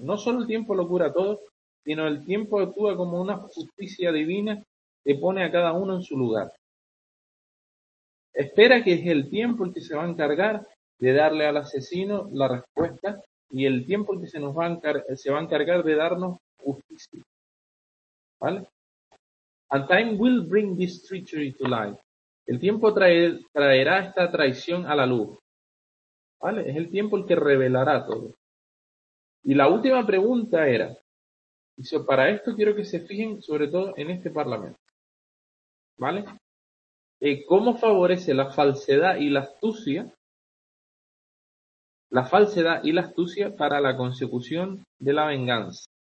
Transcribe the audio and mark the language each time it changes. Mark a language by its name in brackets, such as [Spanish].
[Spanish] No solo el tiempo lo cura todo, sino el tiempo actúa como una justicia divina que pone a cada uno en su lugar. Espera que es el tiempo el que se va a encargar de darle al asesino la respuesta y el tiempo el que se va a encargar de darnos justicia. ¿Vale? [English] And time will bring this treachery to light. [Spanish] El tiempo traerá esta traición a la luz. ¿Vale? Es el tiempo el que revelará todo. Y la última pregunta era, y para esto quiero que se fijen sobre todo en este parlamento. ¿Vale? ¿Cómo favorece la falsedad y la astucia? La falsedad y la astucia para la consecución de la venganza.